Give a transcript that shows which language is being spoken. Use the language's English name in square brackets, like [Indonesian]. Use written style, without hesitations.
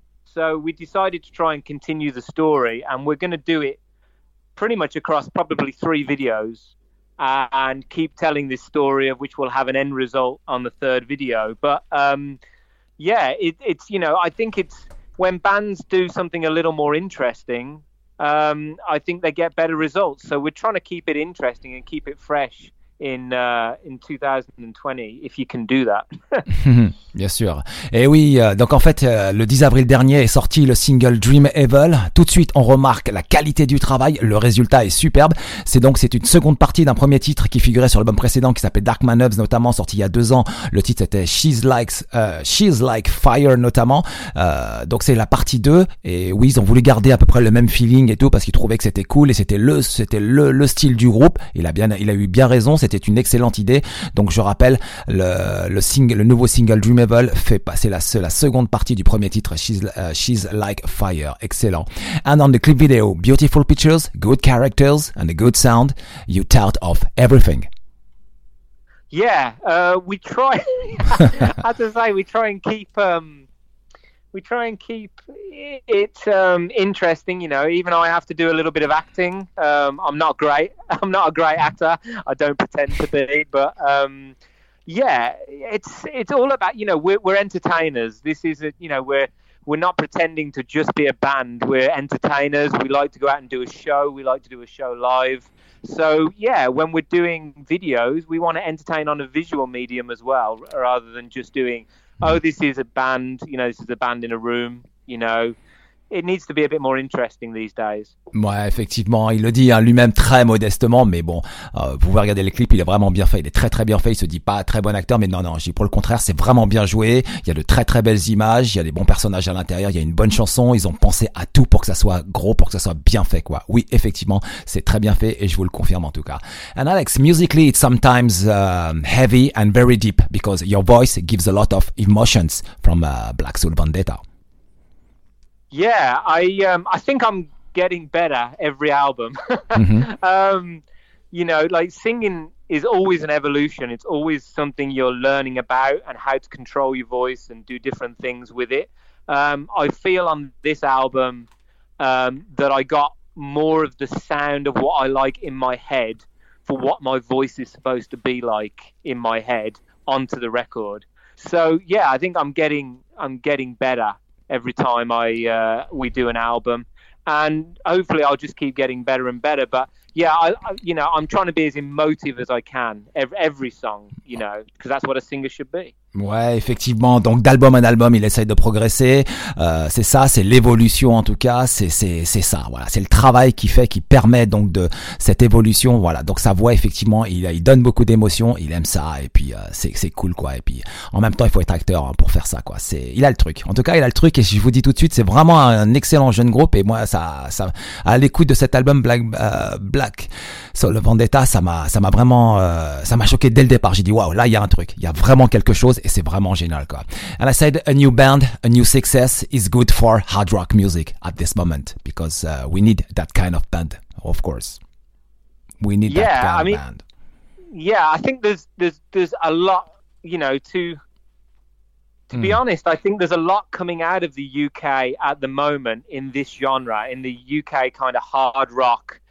[English] So we decided to try and continue the story, and we're going to do it pretty much across probably 3 videos and keep telling this story, of which we'll have an end result on the third video. But yeah, it's, you know, I think it's when bands do something a little more interesting, I think they get better results. So we're trying to keep it interesting and keep it fresh in 2020, if you can do that. [French] Bien sûr. Et oui, donc en fait, le 10 avril dernier est sorti le single Dream Evil. Tout de suite, on remarque la qualité du travail. Le résultat est superbe. C'est une seconde partie d'un premier titre qui figurait sur l'album précédent qui s'appelait Dark Manoeuvres, notamment sorti il y a 2 ans. Le titre était She's Like Fire, notamment. Donc c'est la partie 2. Et oui, ils ont voulu garder à peu près le même feeling et tout parce qu'ils trouvaient que c'était cool et c'était le style du groupe. Il a eu bien raison. C'était une excellente idée. Donc je rappelle, le nouveau single Dream Evil fait passer la seconde partie du premier titre She's Like Fire. Excellent. [English] And on the clip video, beautiful pictures, good characters and a good sound, you tout of everything. Yeah, we try as I say, we try and keep it interesting, you know. Even I have to do a little bit of acting. I'm not a great actor. I don't pretend to be, but it's all about, you know, we're entertainers. This is we're not pretending to just be a band. We're entertainers. We like to go out and do a show. We like to do a show live. So yeah, when we're doing videos, we want to entertain on a visual medium as well, rather than just doing, oh, this is a band, you know, this is a band in a room, you know. It needs to be a bit more interesting these days. [French] Ouais, effectivement, il le dit hein, lui-même très modestement, mais bon, vous pouvez regarder les clips, il est vraiment bien fait, il est très très bien fait, il se dit pas très bon acteur, mais non, je dis pour le contraire, c'est vraiment bien joué, il y a de très très belles images, il y a des bons personnages à l'intérieur, il y a une bonne chanson, ils ont pensé à tout pour que ça soit gros, pour que ça soit bien fait, quoi. Oui, effectivement, c'est très bien fait, et je vous le confirme en tout cas. [English] And Alex, musically, it's sometimes heavy and very deep, because your voice gives a lot of emotions from Black Soul Vendetta. Yeah, I think I'm getting better every album. Mm-hmm. You know, like singing is always an evolution. It's always something you're learning about and how to control your voice and do different things with it. I feel on this album that I got more of the sound of what I like in my head for what my voice is supposed to be like in my head onto the record. So yeah, I think I'm getting better every time we do an album, and hopefully I'll just keep getting better and better. But yeah, I'm trying to be as emotive as I can every song, you know, because that's what a singer should be. [French] Ouais, effectivement. Donc d'album en album, il essaye de progresser. C'est ça, c'est l'évolution en tout cas. C'est ça. Voilà, c'est le travail qui permet donc de cette évolution. Voilà. Donc sa voix, effectivement, il donne beaucoup d'émotions. Il aime ça. Et puis c'est cool, quoi. Et puis en même temps, il faut être acteur hein, pour faire ça, quoi. Il a le truc. En tout cas, il a le truc. Et je vous dis tout de suite, c'est vraiment un excellent jeune groupe. Et moi, ça à l'écoute de cet album Black Soul Vendetta, ça m'a choqué dès le départ. J'ai dit waouh, là il y a un truc. Il y a vraiment quelque chose. Et c'est vraiment génial, quoi. [English] And I said, a new band, a new success is good for hard rock music at this moment, because we need that kind of band, of course. We need that kind of band. Yeah, I think there's a lot, you know, to be honest, I think there's a lot coming out of the UK at the moment in this genre, in the UK kind of hard rock.